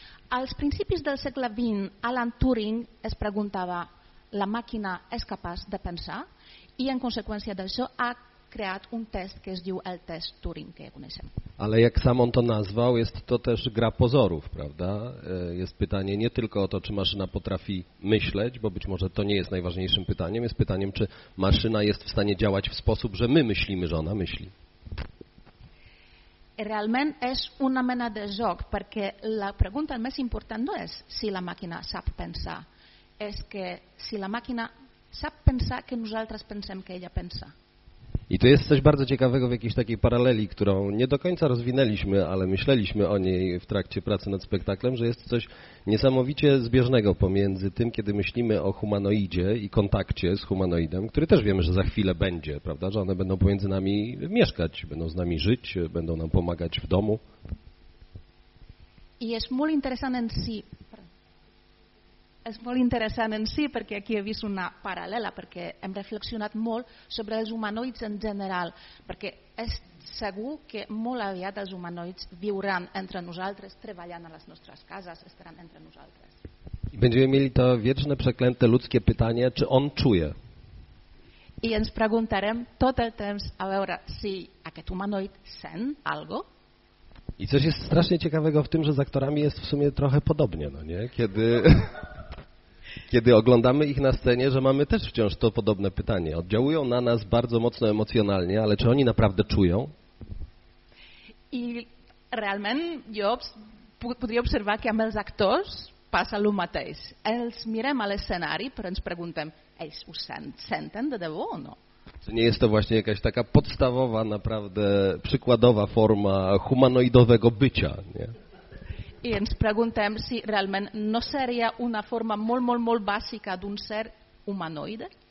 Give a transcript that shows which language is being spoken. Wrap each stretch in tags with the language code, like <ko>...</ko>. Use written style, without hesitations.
<ca>Als principis del segle XX, Alan Turing es preguntava: la màquina és capaç de pensar? I en conseqüència d'això, creat un test, który zdjął el test Turing, który kunesem.</ca> <pl>Ale jak sam on to nazwał, jest to też gra pozorów, prawda? Jest pytanie nie tylko o to, czy maszyna potrafi myśleć, bo być może to nie jest najważniejszym pytaniem, jest pytaniem, czy maszyna jest w stanie działać w sposób, że my myślimy, że ona myśli.</pl> <ca>Realment és una mena de joc, perquè la pregunta més important no és si la màquina sap pensar, és que si la màquina sap pensar, que nosaltres pensem que ella pensa.</ca> <pl>I to jest coś bardzo ciekawego w jakiejś takiej paraleli, którą nie do końca rozwinęliśmy, ale myśleliśmy o niej w trakcie pracy nad spektaklem, że jest coś niesamowicie zbieżnego pomiędzy tym, kiedy myślimy o humanoidzie i kontakcie z humanoidem, który też wiemy, że za chwilę będzie, prawda, że one będą pomiędzy nami mieszkać, będą z nami żyć, będą nam pomagać w domu.</pl> <ca>I jest molt interessant en si. És molt interessant en si, perquè aquí he vist una paral·lela, perquè hem reflexionat molt sobre els humanoids en general, perquè és segur que molt aviat els humanoids viuran entre nosaltres, treballant a les nostres cases, estaran entre nosaltres.</ca> <pl>I będziemy mieli to wieczne, przeklęte ludzkie pytanie, czy on czuje?</pl> <ca>I ens preguntarem tot el temps a veure si aquest humanoid sent algo.</ca> <pl>I coś jest strasznie ciekawego w tym, że z aktorami jest w sumie trochę podobnie, no nie? Kiedy oglądamy ich na scenie, że mamy też wciąż to podobne pytanie. Oddziałują na nas bardzo mocno emocjonalnie, ale czy oni naprawdę czują?</pl> <ca>I realment jo podria observar que amb els actors passa lo mateix. Els mirem a l'escenari, però ens preguntem, ells ho senten de debò o no?</ca> <pl>Czy nie jest to właśnie jakaś taka podstawowa, naprawdę przykładowa forma humanoidowego bycia, nie?</pl> <ca>I ens preguntem si realment no seria una forma molt, molt, molt bàsica d'un ser humanoid.</ca>